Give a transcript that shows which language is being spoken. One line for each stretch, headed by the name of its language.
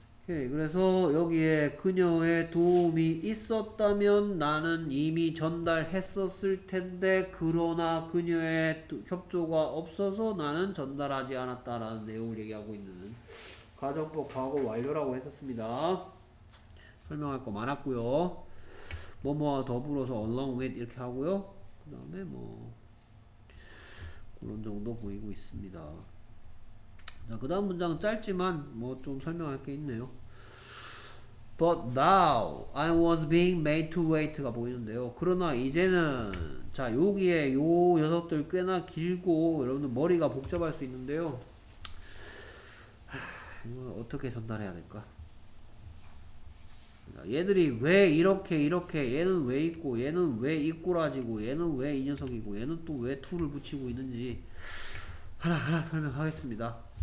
Korean: 예, 그래서 여기에 그녀의 도움이 있었다면 나는 이미 전달했었을 텐데, 그러나 그녀의 협조가 없어서 나는 전달하지 않았다라는 내용을 얘기하고 있는 가정법 과거 완료라고 했었습니다. 설명할 거 많았고요. 뭐뭐와 더불어서 along with 이렇게 하고요. 그다음에 뭐 그런 정도 보이고 있습니다. 자, 그다음 문장은 짧지만 뭐좀 설명할 게 있네요.
English: But now I was being made to wait가
Korean: 보이는데요. 그러나 이제는 자 여기에 요 녀석들 꽤나 길고 여러분들 머리가 복잡할 수 있는데요. 이걸 어떻게 전달해야 될까? 얘들이 왜 이렇게 얘는 왜 있고 얘는 왜 이꼬라지고 얘는 왜이 녀석이고 얘는 또왜 툴을 붙이고 있는지 하나하나 설명하겠습니다.